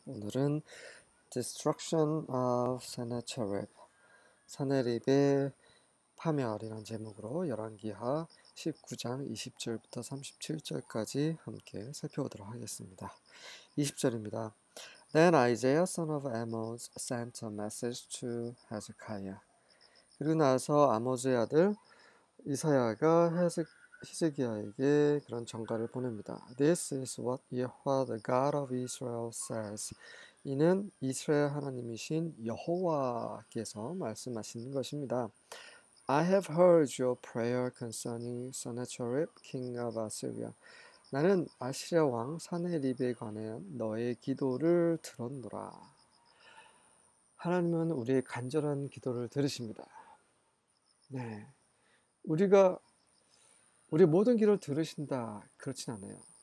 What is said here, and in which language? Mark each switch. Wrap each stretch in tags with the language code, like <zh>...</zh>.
<ko>오늘은</ko> <en>Destruction of Sennacherib,</en> <ko>산헤립의 파멸이라는 제목으로 열왕기하 19장 20절부터 37절까지 함께 살펴보도록 하겠습니다. 20절입니다.</ko> <en>Then Isaiah son of Amoz sent a message to Hezekiah.</en> <ko>그리고 나서 아모스의 아들 이사야가 히스기야에게 그런 전가를 보냅니다.</ko> <en>This is what Yahweh, the God of Israel, says.</en> <ko>이는 이스라엘 하나님이신 여호와께서 말씀하시는 것입니다.</ko> <en>I have heard your prayer concerning Sennacherib, king of Assyria.</en> <ko>나는 아시리아 왕 산헤립에 관해 너의 기도를 들었노라. 하나님은 우리의 간절한 기도를 들으십니다. 네, 우리 모든 기도를 들으신다. 그렇진 않아요.</ko>